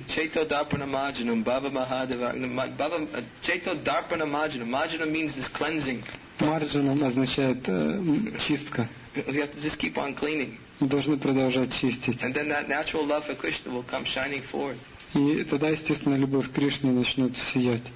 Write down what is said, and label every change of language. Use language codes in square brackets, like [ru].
[sa] Чейто дарпана маджанам, баба махадева, баба, чейто дарпана маджанам, маджанам [en] means this cleansing. [ru] Марджанам означает чистка. [en] We have to just keep on cleaning. [ru] Мы должны продолжать чистить. [en] And then that natural love for Krishna will come shining forth. [ru] И тогда естественно любовь к Кришне начнет сиять.